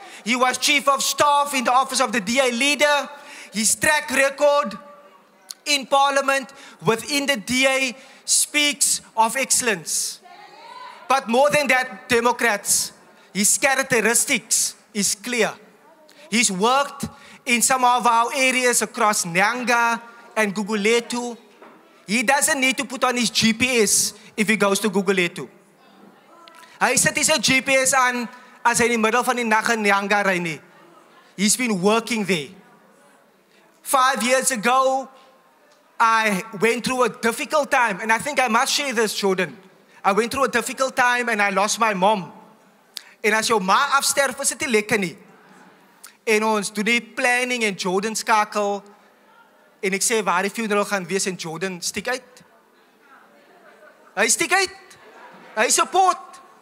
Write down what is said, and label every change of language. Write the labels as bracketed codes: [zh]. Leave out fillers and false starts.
[en] He was Chief of Staff in the Office of the DA Leader. His track record in Parliament within the DA speaks of excellence. But more than that, Democrats, his characteristics is clear. He's worked in some of our areas across Nyanga and Guguletu. He doesn't need to put on his GPS if he goes to Guguletu. [af] Hy sit hy sy GPS aan as hy in die middel van die nag in Nyanga ry nie. [en] He's been working there. 5 years ago, I went through a difficult time, and I think I must share this, Geordin. I went through a difficult time and I lost my mom. [af] En as jou ma afsterf, is dit nie lekker nie. En ons doen die planning en Geordin skakel. En ek sê waar die funeral gaan wees en Geordin stiek uit. Hy stiek uit. Hy support.